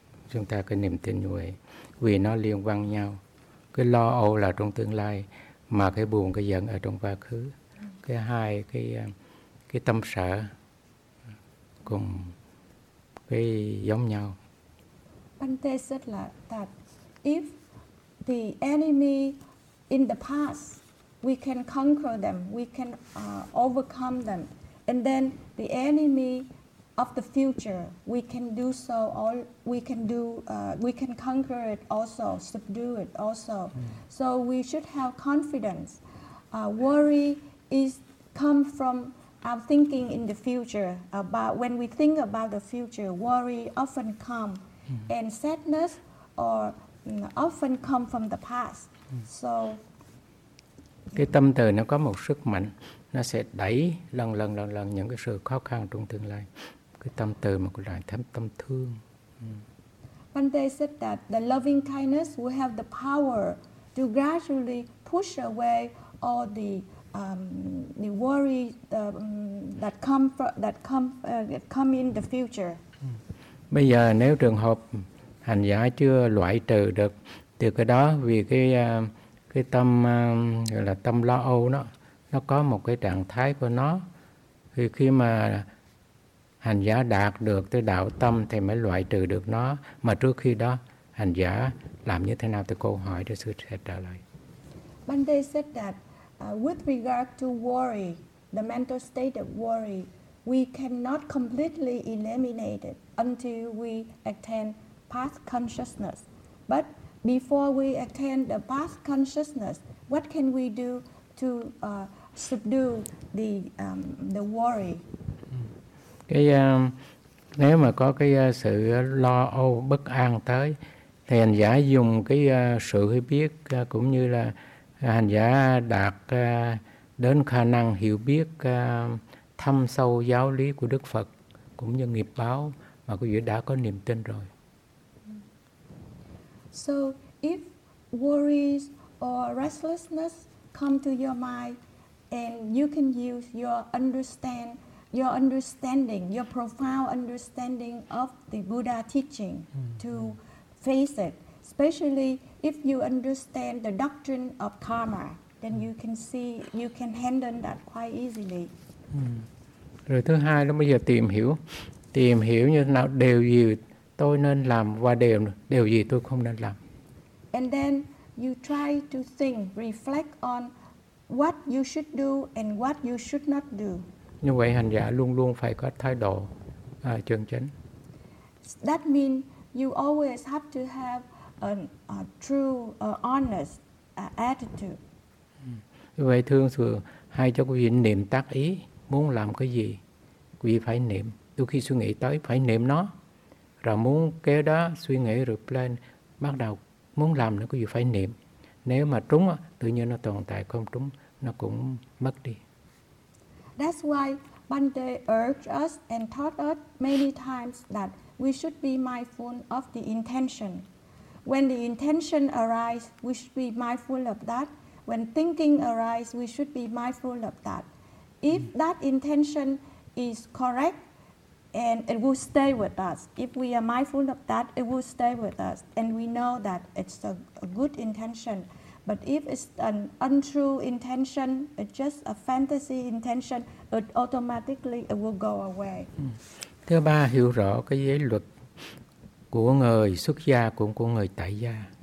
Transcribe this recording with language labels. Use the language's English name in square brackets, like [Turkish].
[Vietnamese] Chúng ta có niềm tin như vậy vì nó liên quan nhau. Cái lo âu là trong tương lai mà cái buồn cái giận ở trong quá khứ. Cái hai cái tâm sở cùng cái giống nhau. [English] Bhante said that if the enemy in the past, we can conquer them, we can overcome them. And then the enemy of the future, we can do so, all we can do, we can conquer it also, subdue it also. So we should have confidence. Worry come from our thinking in the future, about when we think about the future, worry often come, and sadness or often come from the past. So [Vietnamese] cái tâm từ nó có một sức mạnh, nó sẽ đẩy lần những cái sự khó khăn trong tương lai. Cái tâm từ mà có lại thêm tâm thương. [English] Bhante said that the loving kindness will have the power to gradually push away all the worry that come in the future. [Vietnamese] Bây giờ nếu trường hợp hành giả chưa loại trừ được từ cái đó vì cái tâm gọi là tâm lo âu nó có một cái trạng thái của nó, thì khi mà hành giả đạt được tới đạo tâm thì mới loại trừ được nó. Mà trước khi đó hành giả làm như thế nào thì câu hỏi Đức Sư sẽ trả lời. [English] Bhante said that with regard to worry, the mental state of worry, we cannot completely eliminate it until we attain path consciousness. But before we attain the path consciousness, what can we do to subdue the worry? [Vietnamese] Cái nếu mà có cái sự lo âu bất an tới thì hành giả dùng cái sự hiểu biết cũng như là hành giả đạt đến khả năng hiểu biết thâm sâu giáo lý của Đức Phật cũng như nghiệp báo mà quý vị đã có niềm tin rồi. [English] So if worries or restlessness come to your mind and you can use your understanding, your profound understanding of the Buddha teaching to face it. Especially if you understand the doctrine of karma, then you can handle that quite easily. [Vietnamese] Rồi thứ hai là bây giờ tìm hiểu như thế nào, điều gì tôi nên làm và điều gì tôi không nên làm. [English] And then you try to think, reflect on what you should do and what you should not do. [Vietnamese] Như vậy hành giả luôn luôn phải có thái độ chân chánh. [English] That means you always have to have a true, honest attitude. [Vietnamese] Như vậy thường thường hay cho quý vị niệm tác ý, muốn làm cái gì, quý vị phải niệm. Đôi khi suy nghĩ tới phải niệm nó. Rồi muốn kế đó suy nghĩ rồi plan, bắt đầu muốn làm nữa quý vị phải niệm. Nếu mà trúng tự nhiên nó tồn tại, không trúng nó cũng mất đi. [English] That's why Bhante urged us and taught us many times that we should be mindful of the intention. When the intention arises, we should be mindful of that. When thinking arises, we should be mindful of that. If that intention is correct, and it will stay with us. If we are mindful of that, it will stay with us. And we know that it's a good intention. But if it's an untrue intention, it's just a fantasy intention, it automatically will go away. [Vietnamese] Thứ ba, hiểu rõ cái giới luật của người xuất gia cũng của người tại gia.